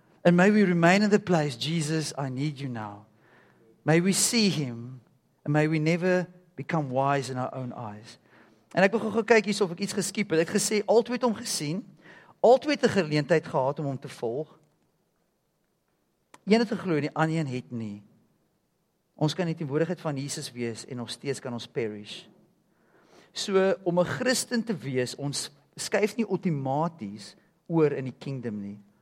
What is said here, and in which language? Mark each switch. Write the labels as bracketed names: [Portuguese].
[English] And may we remain in the place, Jesus, I need you now. May we see him, and may we never become wise in our own eyes. [Afrikaans] En ek wil gou kyk hier of ek iets geskiep het. Ek gesê, altyd om gesien, altyd 'n geleentheid gehad om hom te volg. Een het geglo, die ander een het nie. Ons kan die teenwoordigheid van Jesus wees, en nog steeds kan ons perish. So, om 'n Christen te wees, ons skuif nie outomaties oor in die kingdom nie.